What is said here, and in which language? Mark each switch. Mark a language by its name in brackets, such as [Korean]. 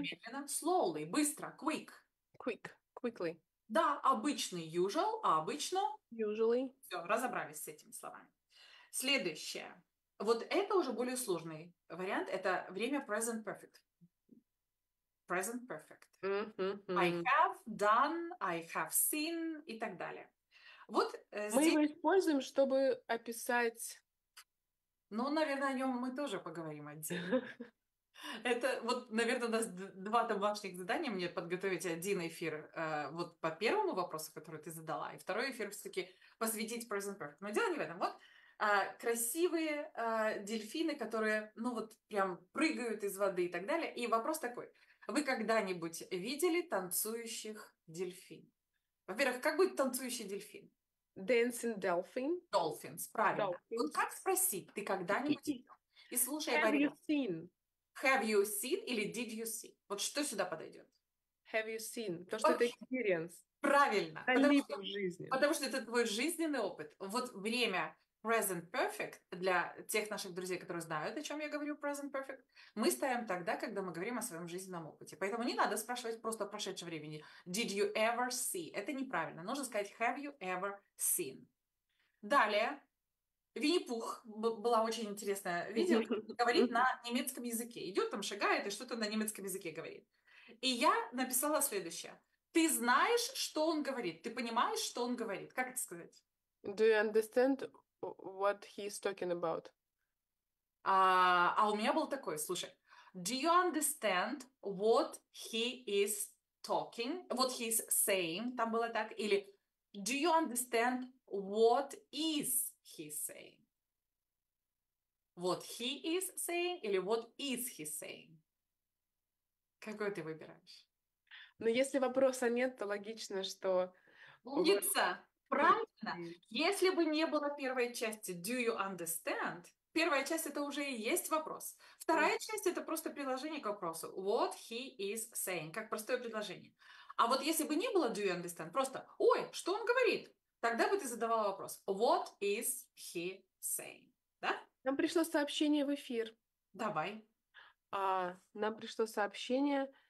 [Russian] Медленно, slowly, быстро, quick. [English] Quick, quickly. [Russian] Да, обычный usual, а обычно? [English] Usually. [Russian] Все, разобрались с этими словами. Следующее. Вот это уже более сложный вариант. Это время present perfect. Present perfect. [English] I have done, I have seen [Russian] и так далее. Вот мы здесь... его используем, чтобы описать... Ну, наверное, о нем мы тоже поговорим отдельно. Это вот, наверное, у нас два домашних задания. Мне подготовить один эфир вот по первому вопросу, который ты задала, и второй эфир все-таки посвятить present perfect. Но дело не в этом. Вот красивые дельфины, которые, ну вот, прям прыгают из воды и так далее. И вопрос такой... Вы когда-нибудь видели танцующих дельфин? Во-первых, как будет танцующий дельфин? [English] Dancing dolphin. Dolphins, [Russian] правильно. [English] Dolphins. [Russian] Вот как спросить, ты когда-нибудь видел? И слушай, [English] have you seen? Have you seen [Russian] или [English] did you see? [Russian] Вот что сюда подойдет? [English] Have you seen? [Russian] То, что это experience. Правильно. Потому что это твой жизненный опыт. Вот время present perfect, для тех наших друзей, которые знают, о чем я говорю, present perfect, мы ставим тогда, когда мы говорим о своем жизненном опыте. Поэтому не надо спрашивать просто о прошедшем времени. [English] Did you ever see? [Russian] Это неправильно. Нужно сказать [English] have you ever seen? [Russian] Далее. Винни-Пух. Была очень интересная видео. Говорит на немецком языке. Идет там, шагает и что-то на немецком языке говорит. И я написала следующее. Ты знаешь, что он говорит? Ты понимаешь, что он говорит? Как это сказать? [English] Do you understand what he's talking about? [Russian] А у меня был такой, слушай. [English] Do you understand what he is talking? What he's saying? [Russian] Там было так. Или [English] do you understand what is he saying? What he is saying? [Russian] Или [English] what is he saying? [Russian] Какой ты выбираешь? Ну, если вопроса нет, то логично, что... Умница! Правильно. Если бы не было первой части [English] «Do you understand?», [Russian] первая часть — это уже и есть вопрос. Вторая часть — это просто приложение к вопросу. [English] «What he is saying?» — [Russian] как простое предложение. А вот если бы не было [English] «Do you understand?», [Russian] просто «Ой, что он говорит?», тогда бы ты задавала вопрос [English] «What is he saying?» [Russian] Да? Нам пришло сообщение в эфир. Давай. Нам пришло сообщение...